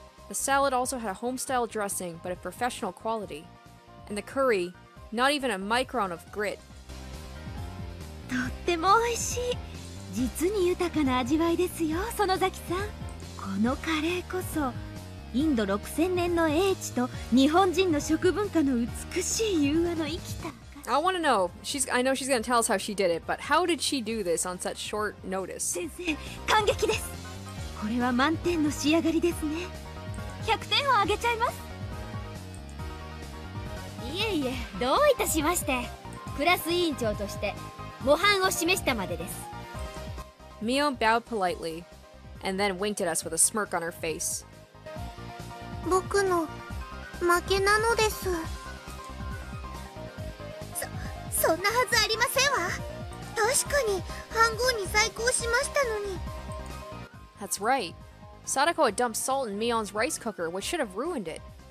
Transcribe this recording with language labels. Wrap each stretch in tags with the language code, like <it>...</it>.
<en>The salad also had a home-style dressing, but of professional quality. And the curry, not even a micron of grit.</en> <ja>とっても美味しい。実に豊かな味わいですよ、園崎さん。このカレーこそインド6000年の英知と日本人の食文化の美しい融和の生きた。</ja> <en>I want to know. I know she's going to tell us how she did it, but how did she do this on such short notice?</en> <ja>先生、感激です。これは満点の仕上がりですね。 100点をあげちゃいます。いえいえ、どういたしまして。クラス委員長として模範を示したまでです。</ja> <en>Mio bowed politely and then winked at us with a smirk on her face.</en> <ja>僕の負けなのです。そんなはずありませんわ。確かに半合に再興しましたのに。</ja> <en>That's right. Sadako had dumped salt in Mion's rice cooker, which should have ruined it.</en>